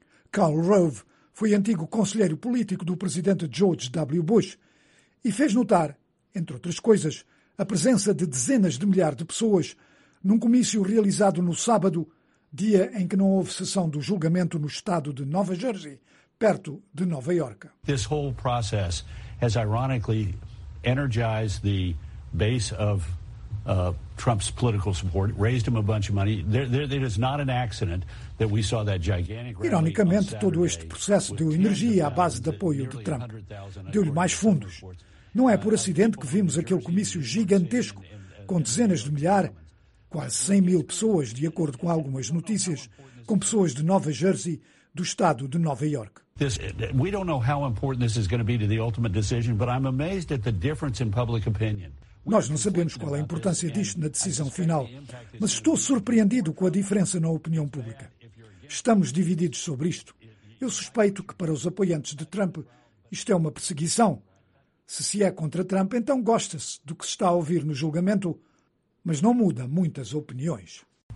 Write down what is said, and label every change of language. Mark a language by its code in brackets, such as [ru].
[pt] Karl Rove foi antigo conselheiro político do presidente George W. Bush e fez notar, entre outras coisas, a presença de dezenas de milhares de pessoas num comício realizado no sábado, dia em que não houve sessão do julgamento no estado de Nova Jersey, perto de Nova Iorque. [en] This whole process has ironically energized the base of Trump's political support, raised him a bunch of money. There is not an accident that we saw that gigantic rally. [pt] Ironicamente, todo este processo deu energia à base de apoio de Trump, deu-lhe mais fundos. Não é por acidente que vimos aquele comício gigantesco com dezenas de milhares, quase 100 mil pessoas, de acordo com algumas notícias, com pessoas de Nova Jersey, do estado de Nova York. [en] We don't know how important this is going to be to the ultimate decision, but I'm amazed at the difference in public opinion. [pt] Nós não sabemos qual é a importância disto na decisão final, mas estou surpreendido com a diferença na opinião pública. Estamos divididos sobre isto. Eu suspeito que para os apoiantes de Trump isto é uma perseguição. Se se é contra Trump, então gosta-se do que se está a ouvir no julgamento, mas não muda muitas opiniões.